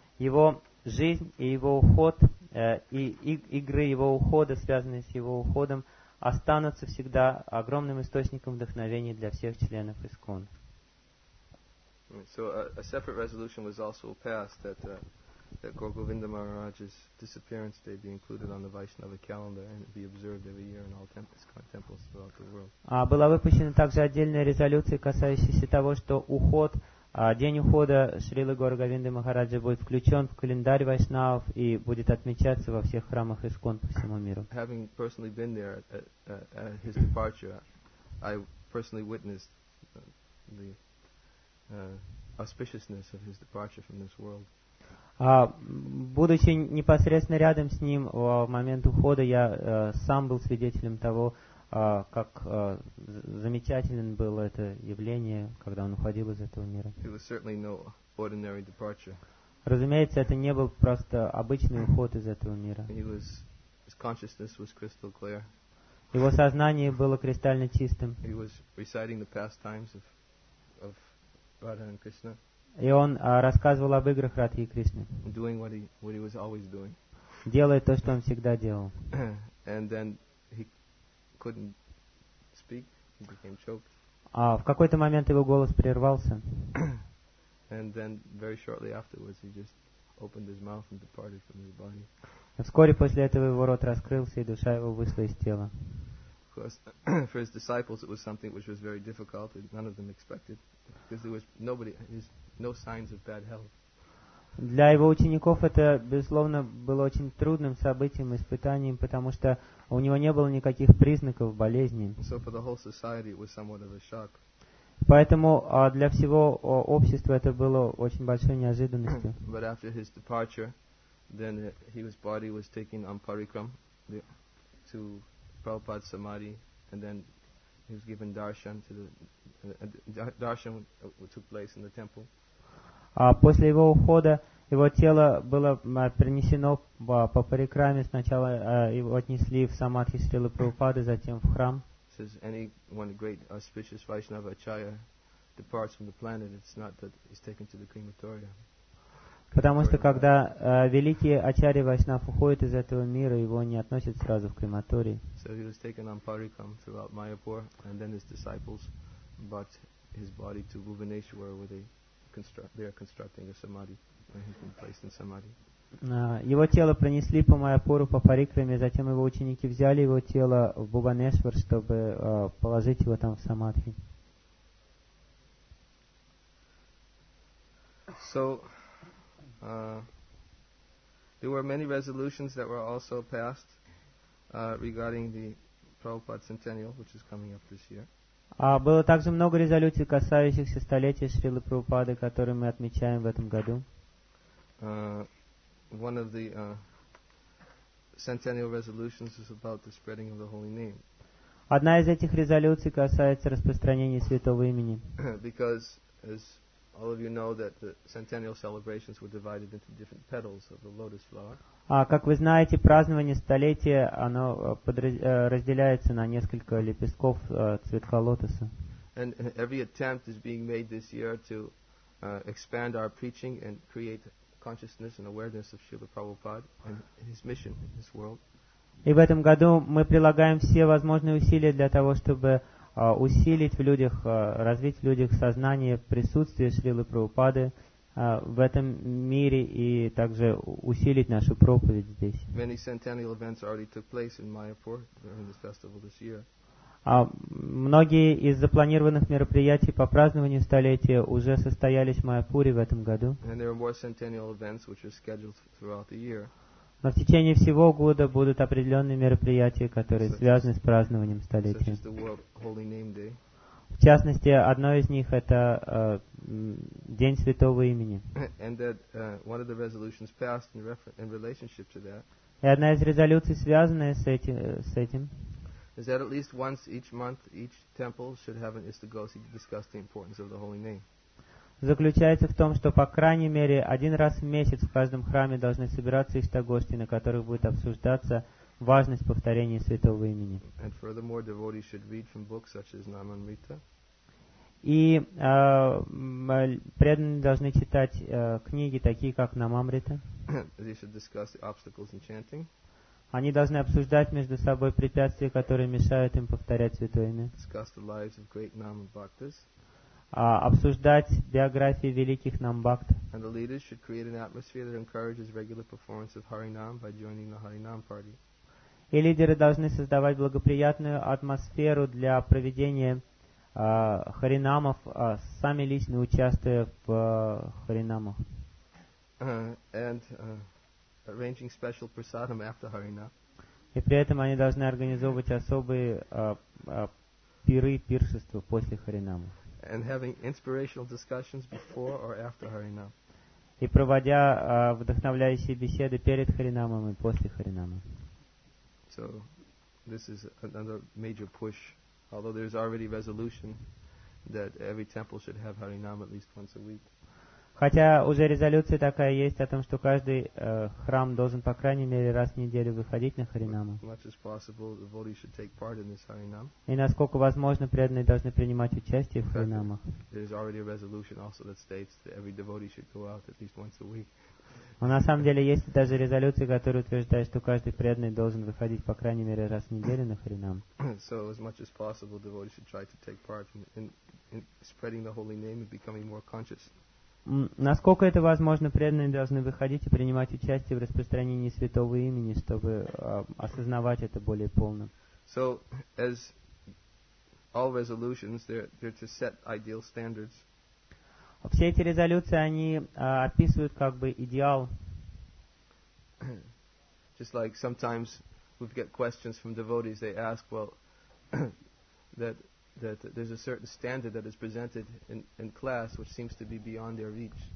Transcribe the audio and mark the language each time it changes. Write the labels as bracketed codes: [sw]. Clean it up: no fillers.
[ru] Его жизнь и его уход, игры его ухода, связанные с его уходом, останутся всегда огромным источником вдохновения для всех членов ИСКОН. [en] So a separate resolution was also passed that that Gaur Govinda Maharaj's disappearance day be included on the Vaishnava calendar and be observed every year in all temples throughout the world. [ru] Была выпущена также отдельная резолюция, касающаяся того, что уход день ухода Шрилы Гаура Говинды Махараджа будет включен в календарь Вайшнавов и будет отмечаться во всех храмах ИСККОН по всему миру. [en] Having personally been there at his departure, I personally witnessed the auspiciousness of his departure from this world. [ru] Будучи непосредственно рядом с ним в момент ухода, я сам был свидетелем того, как замечательным было это явление, когда он уходил из этого мира. [en] It was certainly no ordinary departure. [ru] Разумеется, это не был просто обычный уход из этого мира. [en] His consciousness was crystal clear. [ru] Его сознание было кристально чистым. [en] He was reciting the pastimes of Radha and Krishna. [ru] И он рассказывал об играх Радхи и Кришны. [en] Doing what he was always doing. [ru] Делая то, что он всегда делал. [en] And then he couldn't speak. He became choked. [ru] В какой-то момент его голос прервался. [en] And then very shortly afterwards he just opened his mouth and departed from his body. [ru] Вскоре после этого его рот раскрылся, и душа его вышла из тела. [en] Of course, for his disciples it was something which was very difficult and none of them expected. Because there was nobody, no signs of bad health. [ru] Для его учеников это, безусловно, было очень трудным событием, испытанием, потому что у него не было никаких признаков болезни. [en] So for the whole society it was somewhat of a shock. [ru] Поэтому для всего общества это было очень большой неожиданностью. [en] But after his departure, then his body was taken on parikram to Prabhupada Samadhi, and then he was given darshan to the darshan took place in the temple. [ru] После его ухода его тело было принесено по парикраме. Сначала его отнесли в самадхи Шрилы Прабхупады, затем в храм. [en] Says any one great auspicious Vaishnava acharya departs from the planet, it's not that he's taken to the crematorium. [ru] Потому что когда великий ачарья Вайшнав уходит из этого мира, его не относят сразу в крематорий. [en] So he was taken on parikram throughout Mayapur, and then his disciples brought his body to Bhuvaneshwar, where they are constructing a samadhi, where he's been placed in samadhi. [ru] Его тело пронесли по Майяпуру по парикраме, затем его ученики взяли его тело в Бхубанешвар, чтобы положить его там в самадхи. [en] So there were many resolutions that were also passed regarding the Prabhupada centennial, which is coming up this year. [ru] Было также много резолюций, касающихся столетия Шрилы Прабхупады, которые мы отмечаем в этом году. [en] One of the centennial resolutions is about the spreading of the holy name. [ru] Одна из этих резолюций касается распространения святого имени. [en] Because as all of you know that the centennial celebrations were divided into different petals of the lotus flower. [ru] Как вы знаете, празднование столетия оно разделяется на несколько лепестков цветка лотоса. [en] And every attempt is being made this year to expand our preaching and create consciousness and awareness of Srila Prabhupada and his mission in this world. [ru] И в этом году мы прилагаем все возможные усилия для того, чтобы усилить в людях, развить в людях сознание присутствия Шрилы Прабхупады в этом мире и также усилить нашу проповедь здесь. [en] Many centennial events already took place in Mayapur during this festival this year. [ru] Многие из запланированных мероприятий по празднованию столетия уже состоялись в Майяпуре в этом году. [en] And there are more centennial events which are scheduled throughout the year. [ru] Но в течение всего года будут определенные мероприятия, которые связаны с празднованием столетия. [en] Such as the World Holy Name Day. [ru] В частности, одно из них это День Святого Имени. [en] And that one of the resolutions passed in relationship to that. [ru] И одна из резолюций, связанная с этим, [en] is that at least once each month each temple should have an istogosi to discuss the importance of the holy name. [ru] Заключается в том, что по крайней мере один раз в месяц в каждом храме должны собираться истогости, на которых будет обсуждаться важность повторения святого имени. [en] And furthermore, devotees should read from books such as Namamrita. [ru] И преданные должны читать книги такие как Намамрита. [en] They should discuss the obstacles in chanting. [ru] Они должны обсуждать между собой препятствия, которые мешают им повторять святое имя. [en] Discuss the lives of great Nama bhaktas. [ru] обсуждать биографии великих намбакт. [en] And the leaders should create an atmosphere that encourages regular performance of Harinam by joining the Harinam party. [ru] И лидеры должны создавать благоприятную атмосферу для проведения харинамов, сами лично участвуя в харинамах. [en] Arranging special prasadam after harinam. [ru] И при этом они должны организовывать особые пиры, пиршества после харинама. [en] And having inspirational discussions before or after harinam. [ru] И проводя вдохновляющие беседы перед харинамом и после харинама. [en] So this is another major push, although there is already resolution that every temple should have harinam at least once a week. [ru] Хотя уже резолюция такая есть о том, что каждый храм должен по крайней мере раз в неделю выходить на харинамы. [en] Much as possible, the devotees should take part in this harinam. [ru] И насколько возможно, преданные должны принимать участие в харинамах. [en] There is already a resolution also that states that every devotee should go out at least once a week. [ru] Но на самом деле есть даже резолюция, которая утверждает, что каждый преданный должен выходить по крайней мере раз в неделю на харинам. [en] So as much as possible, the devotees should try to take part in spreading the holy name and becoming more conscious. [ru] Насколько это возможно, преданные должны выходить и принимать участие в распространении святого имени, чтобы осознавать это более полно. [en] So, as all resolutions, they're to set ideal standards. [ru] Все эти резолюции, они описывают как бы идеал. [en] Just like sometimes we get questions from devotees, they ask, well, that there's a certain standard that is presented in class which seems to be beyond their reach.